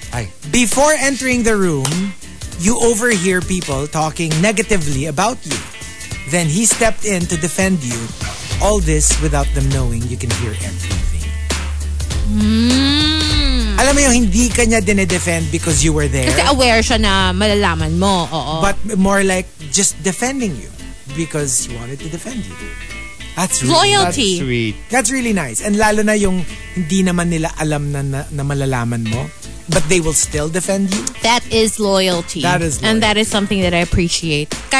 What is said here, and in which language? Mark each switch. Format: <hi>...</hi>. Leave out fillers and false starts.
<en>"Ay, before entering the room, you overhear people talking negatively about you. Then he stepped in to defend you. All this without them knowing you can hear everything." Mm.</en> <tl>Alam mo yung hindi kanya dine-defend</tl> <en>because you were there.</en> <tl>Kasi aware siya na malalaman mo. Oo.</tl> <en>But more like just defending you because he wanted to defend you. That's really loyalty. That's sweet. That's really nice. And</en> <tl>lalo na yung hindi naman nila alam na malalaman mo.</tl> <en>But they will still defend you. That is loyalty. That is loyalty. And that is something that I appreciate.</en>